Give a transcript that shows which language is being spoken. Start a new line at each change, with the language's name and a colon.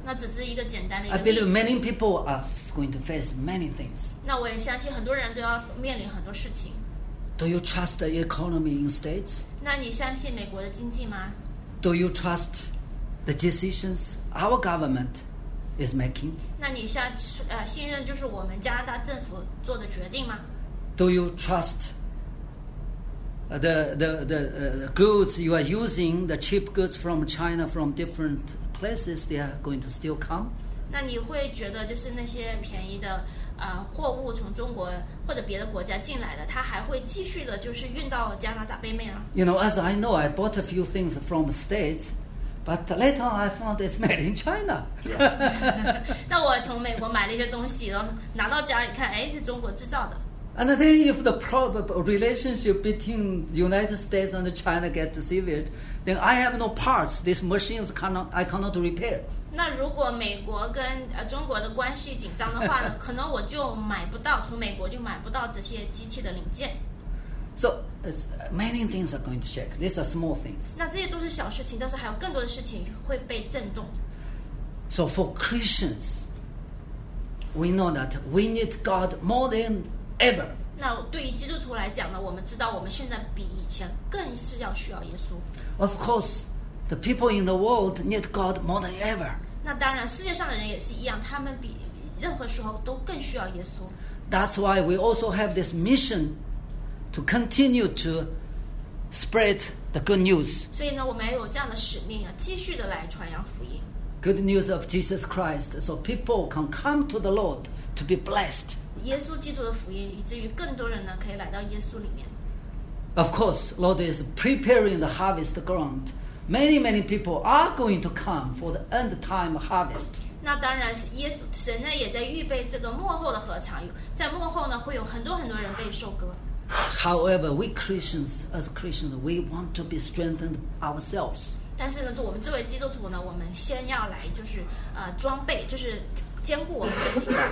Chinese: 那只是一个简单的。
English: I believe many people are going to face many things.
Chinese: 那我也相信很多人都要面临很多事情。
English: Do you trust the economy in states?
Chinese: 那你相信美国的经济吗
English: ？Do you trust the decisions our government is making?
Chinese: 那你下信任就是我们加拿大政府做的决定吗？
English: Do you trust the goods you are using, the cheap goods from China, from different places, they are going to still come?
Chinese: 那你会觉得就是那些便宜的货物从中国或者别的国家进来的，它还会继续的就是运到加拿大北美啊？
English: You know, as I know, I bought a few things from the States. But later on, I found it's made in China.
Chinese: 那我从美国买了一些东西，然后拿到家里看，哎，是中国制造的。
English: And then, if the relationship between United States and China gets severed, then I have no parts. These machines cannot repair.
Chinese: 那如果美国跟中国的关系紧张的话呢，可能我就买不到，从美国就买不到这些机器的零件。
English: So, many things are going to shake. These are small things.
Chinese: 那这些都是小事情，但是还有更多的事情会被震动。
English: So, for Christians, we know that we need God more than ever.
Chinese: 那对于基督徒来讲呢，我们知道我们现在比以前更是要需要耶稣。
English: Of course, the people in the world need God more than ever.
Chinese: 那当然，世界上的人也是一样，他们比任何时候都更需要耶稣。
English: That's why we also have this mission. To continue to spread the good news.
Chinese: 所以呢，我们也有这样的使命啊，继续的来传扬福音。
English: Good news of Jesus Christ, so people can come to the Lord to be blessed.
Chinese: 耶稣基督的福音，以至于更多人呢可以来到耶稣里面。
English: Of course, Lord is preparing the harvest ground. Many, many people are going to come for the end time harvest.
Chinese: 那当然是耶稣神呢也在预备这个幕后的禾场，在幕后呢会有很多很多人被收割。
English: However, we Christians, as Christians, we want to be strengthened ourselves.
Chinese: 但是呢，我们作为基督徒呢，我们先要来就是装备，就是坚固我们自己。